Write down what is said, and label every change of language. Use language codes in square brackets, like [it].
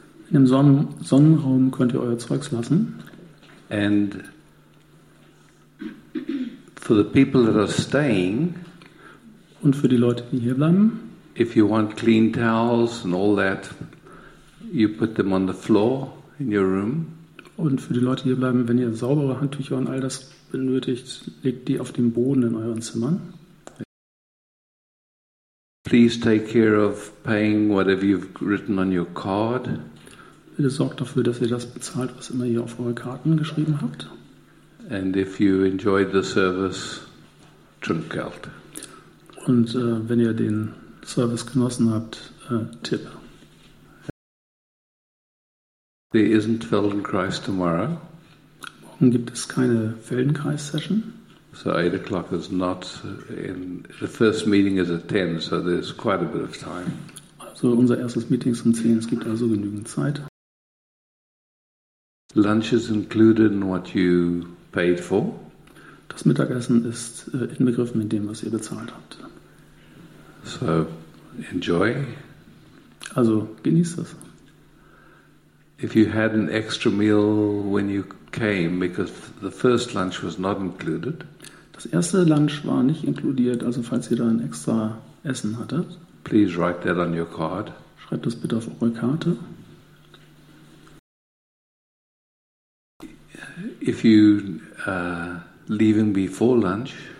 [de] Im Sonnenraum könnt ihr euer Zeugs lassen. [en] And for the people that are staying. [de] Und für die Leute, die hier bleiben. [en] If you want clean towels and all that, you put them on the floor in your room. [de] Und für die Leute, die hier bleiben, wenn ihr saubere Handtücher und all das benötigt, legt die auf den Boden in euren Zimmern. [en] Please take care of paying whatever you've written on your card. [de] Bitte sorgt dafür, dass ihr das bezahlt, was immer ihr auf eure Karten geschrieben habt. [en] And if you enjoyed the service, Trinkgeld. [de] Und wenn ihr den Service genossen habt, Tipp. [en] There isn't Feldenkrais tomorrow. [de] Morgen gibt es keine Feldenkrais-Session. [en] So 8 o'clock is not in the first meeting is at 10, so there's quite a bit of time. [de] Also unser erstes Meeting ist um 10, es gibt also genügend Zeit. [en] Lunch is included in what you paid for. [de] Das Mittagessen ist inbegriffen in dem, was ihr bezahlt habt. [en] So enjoy. [de] Also genießt das. [en] If you had an extra meal when you came, because the first lunch was not included. [de] Das erste Lunch war nicht inkludiert, also falls ihr da ein extra Essen hattet. [en] Please write that on your card. [de] Schreibt das bitte auf eure Karte. [en] If you leaving before lunch.